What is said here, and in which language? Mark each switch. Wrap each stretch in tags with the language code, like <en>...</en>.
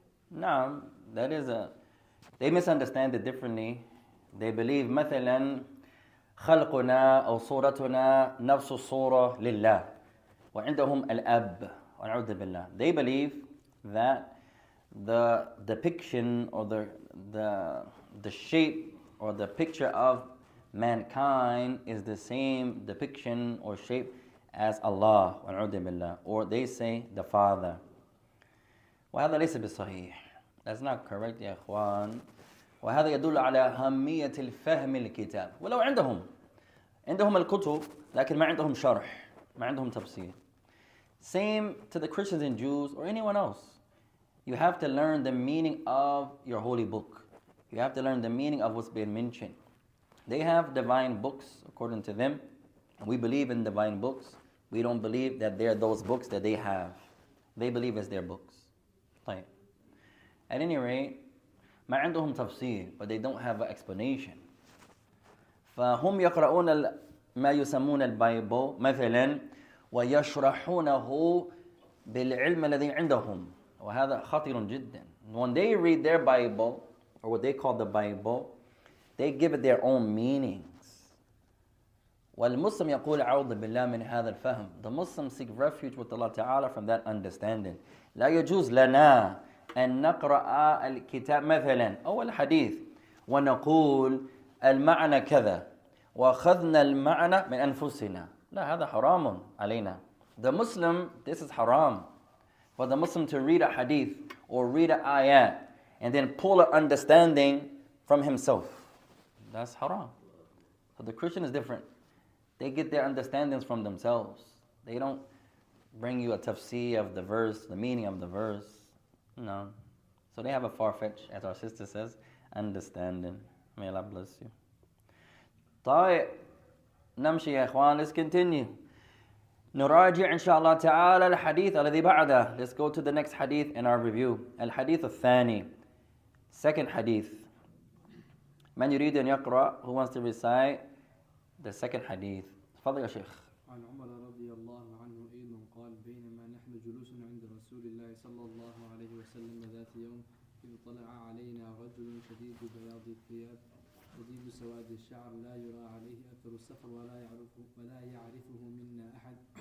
<en>No, that is a. They misunderstand it differently. They believe,</en> <ar>مثلا, خلقنا أو صورتنا نفس الصورة لله. وعندهم الأب. ونعوذ بالله.</ar> <en>They believe that the depiction or the shape or the picture of mankind is the same depiction or shape as Allah.</en> <ar>ونعوذ بالله.</ar> <en>Or they say the Father.</en> <ar>وهذا ليس بالصحيح.</ar> <en>That's not correct,</en> <ar>يا إخوان. وهذا يدل على أهمية الفهم الكتاب. ولو عندهم. عندهم الكتب لكن ما عندهم شرح. ما عندهم تفسير.</ar> <en>Same to the Christians and Jews or anyone else. You have to learn the meaning of your holy book. You have to learn the meaning of what's being mentioned. They have divine books according to them. We believe in divine books. We don't believe that they're those books that they have. They believe it's their books.</en> <ar>طيب.</ar> <en>At any rate,</en> <ar>ما عندهم تفسير,</ar> <en>but they don't have an explanation.</en> <ar>فهم يقرؤون ما يسمون البايبل مثلا ويشرحونه بالعلم الذي عندهم. وهذا خطير جدا.</ar> <en>When they read their Bible, or what they call the Bible, they give it their own meanings.</en> <ar>والمسلم يقول عوض بالله من هذا الفهم.</ar> <en>The Muslims seek refuge with Allah Ta'ala from that understanding.</en> <ar>لا يجوز لنا أن نقرأ الكتاب مثلا أو الحديث ونقول المعنى كذا وأخذنا المعنى من أنفسنا. لا, هذا حرام علينا.</ar> <en>The Muslim, this is haram. For the Muslim to read a hadith or read an ayat and then pull an understanding from himself, that's haram. So the Christian is different. They get their understandings from themselves. They don't bring you a tafsir of the verse, the meaning of the verse. No. So they have a far-fetched, as our sister says, understanding. May Allah bless you.</en> <ar>طيب. نمشي يا إخوان.</ar> <en>Let's continue.</en> <ar>نراجع إن شاء الله تعالى الحديث الذي بعده.</ar> <en>Let's go to the next hadith in our review.</en> <ar>الحديث الثاني.</ar> <en>Second hadith.</en> <ar>من يريد أن يقرأ?</ar> <en>Who wants to recite the second hadith?</en> <ar>تفضل يا شيخ. عن عمر رضي الله عنه أيضا قال بينما نحن جلوس عند رسول الله صلى الله عليه وسلم ذات يوم إذ طلع علينا رجل شديد بياض الثياب شديد سواد الشعر لا يرى عليه أثر السفر ولا يعرفه منا أحد</ar>